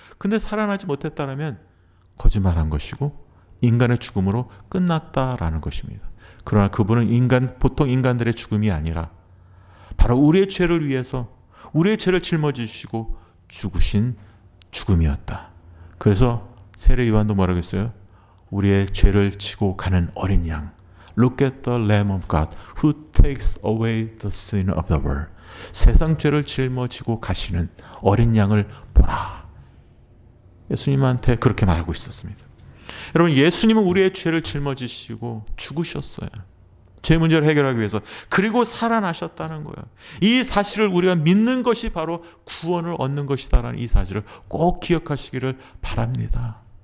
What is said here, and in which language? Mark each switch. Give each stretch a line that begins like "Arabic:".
Korean: 근데 살아나지 못했다라면 거짓말한 것이고 인간의 죽음으로 끝났다라는 것입니다. 그러나 그분은 인간, 보통 인간들의 죽음이 아니라 바로 우리의 죄를 위해서 우리의 죄를 짊어지시고 죽으신 죽음이었다. 그래서 세례요한도 뭐라고 했어요? 우리의 죄를 지고 가는 어린 양.
English: Look at the Lamb of God who takes away the sin of the world.
Korean: 세상 죄를 짊어지고 가시는 어린 양을 보라. 예수님한테 그렇게 말하고 있었습니다. 여러분, 예수님은 우리의 죄를 짊어지시고 죽으셨어요. 죄 문제를 해결하기 위해서. 그리고 살아나셨다는 거예요. 이 사실을 우리가 믿는 것이 바로 구원을 얻는 것이다라는 이 사실을 꼭 기억하시기를 바랍니다.